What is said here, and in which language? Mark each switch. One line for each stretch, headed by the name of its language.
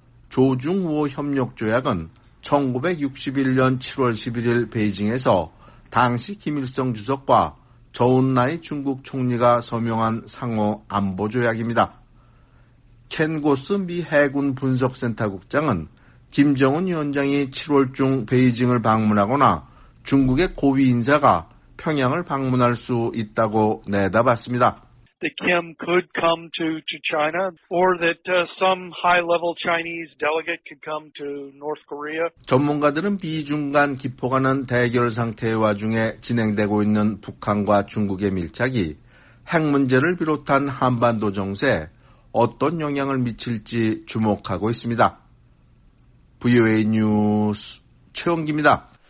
Korean: 조중우호협력조약은 1961년 7월 11일 베이징에서 당시 김일성 주석과 저운라이 중국 총리가 서명한 상호 안보조약입니다. 켄 고스 미 해군 분석센터 국장은 김정은 위원장이 7월 중 베이징을 방문하거나 중국의 고위 인사가 평양을 방문할 수 있다고 내다봤습니다.
English: That Kim could come to China, or that some high-level Chinese delegate could come to North Korea.
Korean: 전문가들은 미중 간 기포가는 대결 상태의 와중에 진행되고 있는 북한과 중국의 밀착이 핵 문제를 비롯한 한반도 정세에 어떤 영향을 미칠지 주목하고 있습니다. VOA 뉴스 최원기입니다.